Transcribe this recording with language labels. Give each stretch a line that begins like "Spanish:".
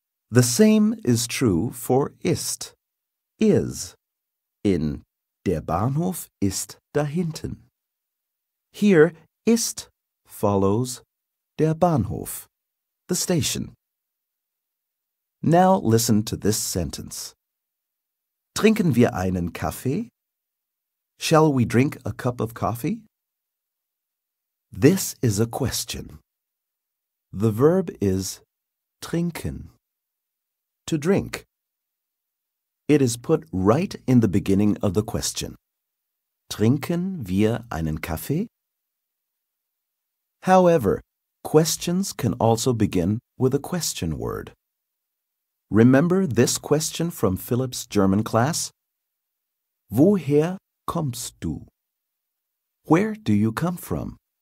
English: The same is true for ist, is, in
German: Der Bahnhof ist da hinten.
English: Here, ist follows der Bahnhof, the station. Now listen to this sentence.
German: Trinken wir einen Kaffee?
English: Shall we drink a cup of coffee? This is a question. The verb is trinken, to drink. It is put right in the beginning of the question.
German: Trinken wir einen Kaffee?
English: However, questions can also begin with a question word. Remember this question from Philip's German class?
German: Woher kommst du?
English: Where do you come from?